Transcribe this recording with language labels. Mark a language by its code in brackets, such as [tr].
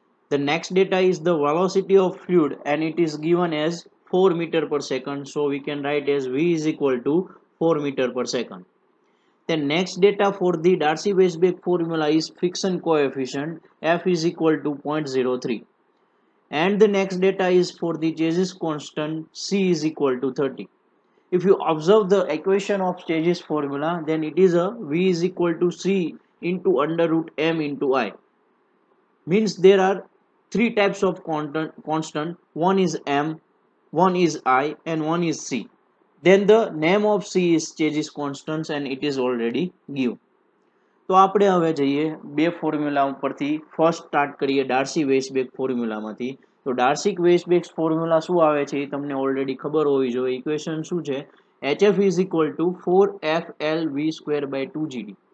[en] The next data is the velocity of fluid and it is given as 4 metre per second, so we can write as V is equal to 4 metre per second. The next data for the Darcy Weisbach formula is friction coefficient, F is equal to 0.03. And the next data is for the Chase's constant, C is equal to 30. If you observe the equation of Chase's formula, then it is a V is equal to C into under root M into I. Means there are three types of constant. One is M, one is I, and one is C. Then the name of C is Chase's constant and it is already given. [gu] તો આપણે હવે જઈએ બે formula ઉપરથી, first start કરીએ Darcy વેસબેક ફોર્મ્યુલામાંથી. તો ડાર્સિક વેસબેક formula શું આવે છે એ તમને ઓલરેડી ખબર હોવી જોઈએ. [en] equation [gu] શું છે, [en] HF is equal to 4FLV² / 2GD.